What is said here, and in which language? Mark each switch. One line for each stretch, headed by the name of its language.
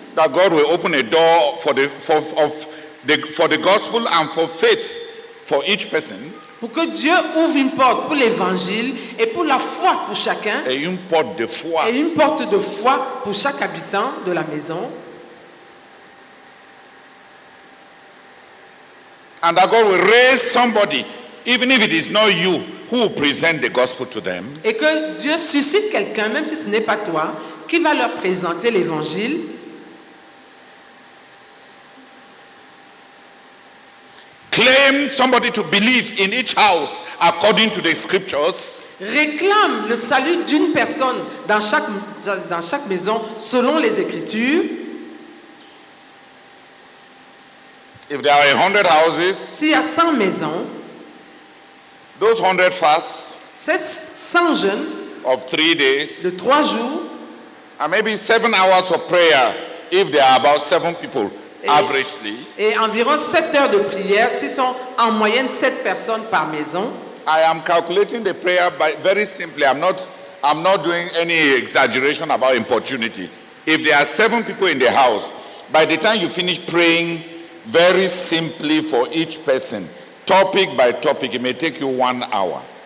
English: That God will open a door for the gospel and for faith for each person.
French: Pour que Dieu ouvre une porte pour l'évangile et pour la foi pour chacun. Et une porte de foi. Et une porte de foi pour chaque habitant de la maison.
English: And that God will raise somebody, even if it is not you, who will present the gospel to them.
French: Et que Dieu suscite quelqu'un, même si ce n'est pas toi, qui va leur présenter l'évangile.
English: Claim somebody to believe in each house according to the scriptures.
French: Réclame le salut d'une personne dans chaque maison selon les écritures.
English: If there are 100 houses,
French: s'il y a 100 maisons,
English: those 100 fasts,
French: ces 100 jeûnes
English: of 3 days,
French: de 3 jours,
English: and maybe 7 hours of prayer if there are about 7 people.
French: Et environ 7 heures de prière s'ils sont en moyenne 7 personnes par maison.
English: I am calculating the prayer by very simply. I'm not doing any exaggeration about importunity. If there are 7 people in the house, by the time you finish praying very simply for each person, topic by topic, it may take you 1 hour.